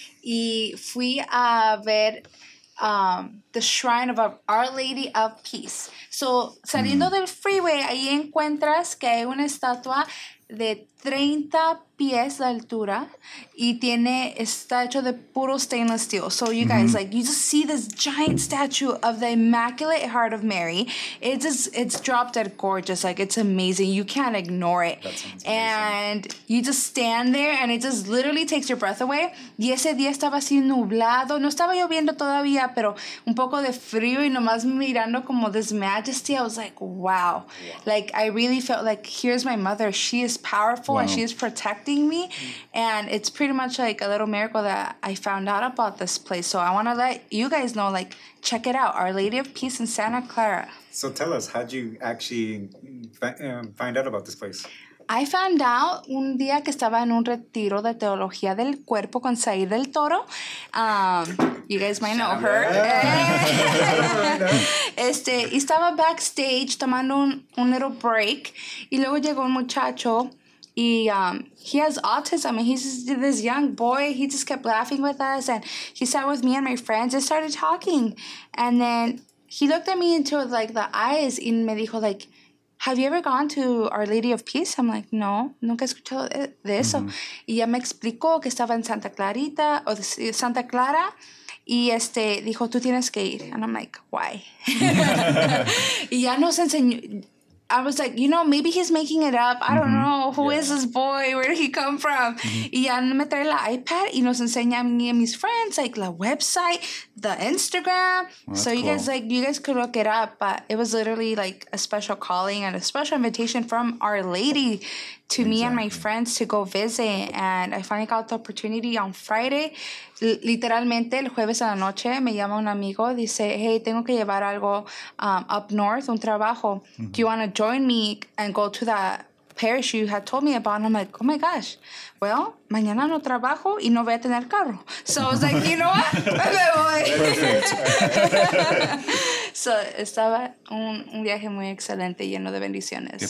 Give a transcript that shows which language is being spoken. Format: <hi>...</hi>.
<es>Y fui a ver</es> <en>the Shrine of Our Lady of Peace.</en> <es>So, saliendo del freeway, ahí encuentras que hay una estatua de 30 pies de altura y está hecho de puro stainless steel.</es> <en>So, you guys, like, you just see this giant statue of the Immaculate Heart of Mary. It's drop dead gorgeous. Like, it's amazing. You can't ignore it. And you just stand there and it just literally takes your breath away.</en> <es>Y ese día estaba así nublado. No estaba lloviendo todavía, pero un poco de frío y nomás mirando como</es> <en>this majesty. I was like, wow. Like, I really felt like, here's my mother. She is powerful. Wow. And she is protecting me. And it's pretty much like a little miracle that I found out about this place. So I want to let you guys know, like, check it out. Our Lady of Peace in Santa Clara. So tell us, how'd you actually find out about this place? I found out</en> <es>un día que estaba en un retiro de teología del cuerpo con Said del Toro.</es> <en>You guys might know her.</en> <es>Y estaba backstage tomando un</es> <en>little break.</en> <es>Y luego llegó un muchacho. Y</es> <en>he has autism. And he's just this young boy. He just kept laughing with us. And he sat with me and my friends and started talking. And then he looked at me into like the eyes and</en> <es>me dijo</es> <en>like, have you ever gone to Our Lady of Peace? I'm like,</en> <es>no, nunca he escuchado de eso. Y ya me explicó que estaba en Santa Clara. Y dijo, tú tienes que ir.</es> <en>And I'm like, why?</en> <es>Y ya nos enseñó.</es> <en>I was like, you know, maybe he's making it up. I don't know. Who is this boy? Where did he come from?</en> <es>Y ya me trae la iPad y nos enseña a mí y a mis</es> <en>friends, like, la website, the Instagram. Well, so cool. you guys could look it up. But it was literally, like, a special calling and a special invitation from Our Lady to me and my friends to go visit. And I finally got the opportunity on Friday.</en> <es>Literalmente, el jueves a la noche, me llama un amigo. Dice, hey, tengo que llevar algo</es> <en>up north,</en> <es>un trabajo.</es> <en>Do you want to join me and go to that parish you had told me about? And I'm like, oh my gosh.</en> <es>Well, mañana no trabajo y no voy a tener carro.</es> <en>So I was like, you know what?</en> <es>Me voy.</es> <en>Perfect.</en> <es>So estaba un viaje muy excelente, lleno de bendiciones.</es>